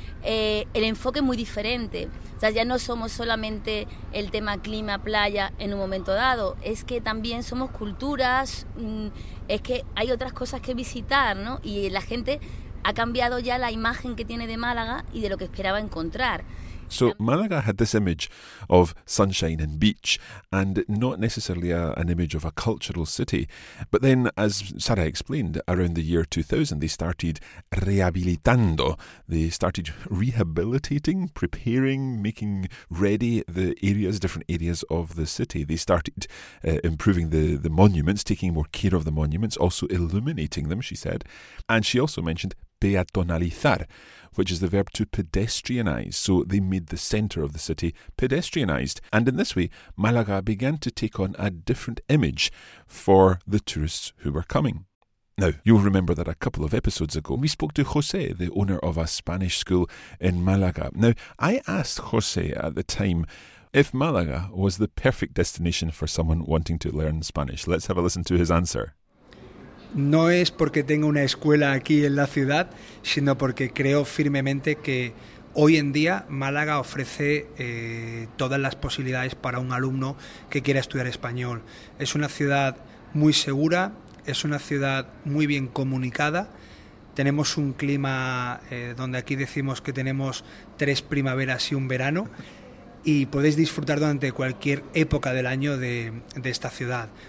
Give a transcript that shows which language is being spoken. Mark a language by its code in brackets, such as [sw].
[es] El enfoque es muy diferente. O sea, ya no somos solamente el tema clima, playa en un momento dado, es que también somos culturas, es que hay otras cosas que visitar, ¿no? Y la gente ha cambiado ya la imagen que tiene de Málaga y de lo que esperaba encontrar. [en] So Málaga had this image of sunshine and beach and not necessarily an image of a cultural city. But then, as Sara explained, around the year 2000, they started rehabilitando. They started rehabilitating, preparing, making ready the areas, different areas of the city. They started improving the monuments, taking more care of the monuments, also illuminating them, she said. And she also mentioned peatonalizar, which is the verb to pedestrianize. So they made the centre of the city pedestrianized. And in this way, Málaga began to take on a different image for the tourists who were coming. Now, you'll remember that a couple of episodes ago, we spoke to José, the owner of a Spanish school in Málaga. Now, I asked José at the time if Málaga was the perfect destination for someone wanting to learn Spanish. Let's have a listen to his answer. [es] No es porque tenga una escuela aquí en la ciudad, sino porque creo firmemente que hoy en día Málaga ofrece todas las posibilidades para un alumno que quiera estudiar español. Es una ciudad muy segura, es una ciudad muy bien comunicada, tenemos un clima donde aquí decimos que tenemos 3 primaveras y un verano, y podéis disfrutar durante cualquier época del año de esta ciudad.